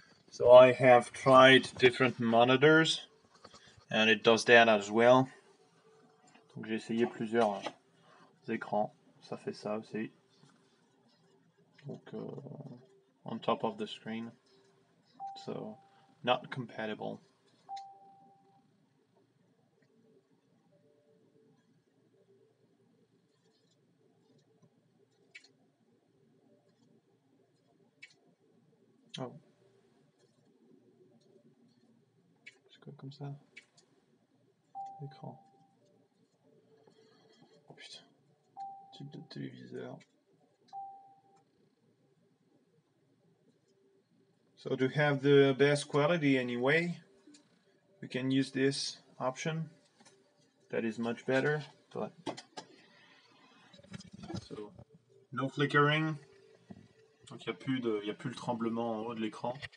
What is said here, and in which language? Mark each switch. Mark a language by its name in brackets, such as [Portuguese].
[English] So I have tried different monitors and it does that as well. [French] Donc j'ai essayé plusieurs écrans, ça fait ça aussi. Donc [English] on top of the screen. So not compatible. Oh. [French] C'est quoi comme ça? Écran. Oh putain. Type de téléviseur. [English] So to have the best quality anyway, we can use this option. That is much better, but so no flickering. [French] Donc il n'y a plus le tremblement en haut de l'écran.